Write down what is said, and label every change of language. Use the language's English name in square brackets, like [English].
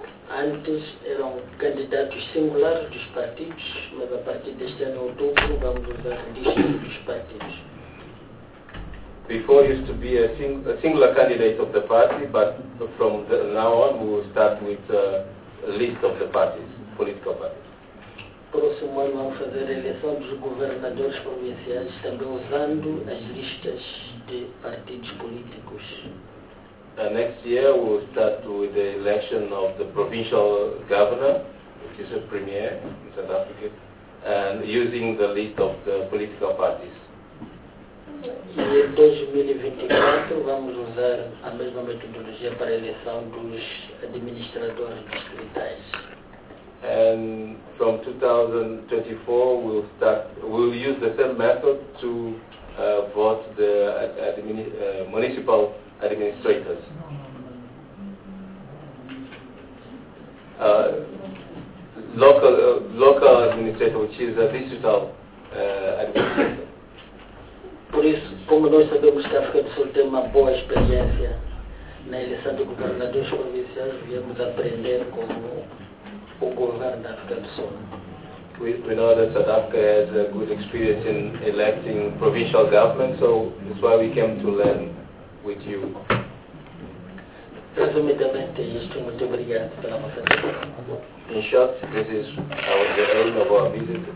[Portuguese] Antes eram candidatos singulares dos partidos, mas a partir deste ano outubro vamos usar a lista dos partidos. [English] Before used to be a singular candidate of the party, but from the now on we will start with a list of the parties, political parties. [Portuguese] Próximo ano vamos fazer a eleição dos governadores provinciais, também usando as listas de partidos políticos. [English] Next year we will start with the election of the provincial governor, which is a premier in South Africa, and using the list of the political parties. [Portuguese] E em 2024 vamos usar a mesma metodologia para a eleição dos administradores distritais. [English] And from 2024 we'll use the same method to vote the municipal administrators. Local administrator, which is a digital administrator. [Portuguese] Por isso, como nós sabemos que a África do Sul tem uma boa experiência na eleição de governadores provinciais, viemos aprender como o governo da África do Sul. [English] We know that South Africa has a good experience in electing provincial governments, so that's why we came to learn with you. [Portuguese] Resumidamente, isto, muito obrigado pela vossa atenção. [English] In short, this is the end of our visit.